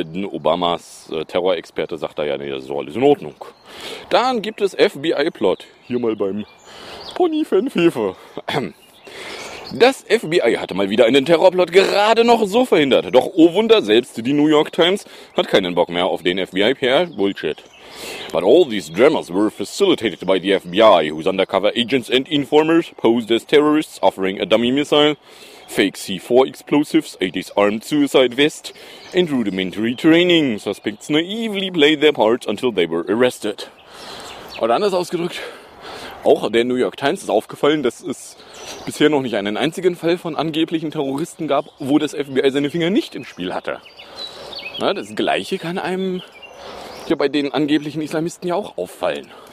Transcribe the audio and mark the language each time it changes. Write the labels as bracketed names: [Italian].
[German] Obamas Terrorexperte sagt da ja, nee, das ist alles in Ordnung. Dann gibt es FBI-Plot. Hier mal beim Pony-Fan-Fefe. Das FBI hatte mal wieder einen Terrorplot gerade noch so verhindert. Doch, oh Wunder, selbst die New York Times hat keinen Bock mehr auf den FBI-PR-Bullshit. [English] But all these dramas were facilitated by the FBI, whose undercover agents and informers posed as terrorists offering a dummy missile, fake C4 explosives, a disarmed suicide vest, and rudimentary training. Suspects naively played their parts until they were arrested. [German] Oder anders ausgedrückt, auch der New York Times ist aufgefallen, dass es bisher noch nicht einen einzigen Fall von angeblichen Terroristen gab, wo das FBI seine Finger nicht im Spiel hatte. Na, das Gleiche kann einem ja bei den angeblichen Islamisten ja auch auffallen.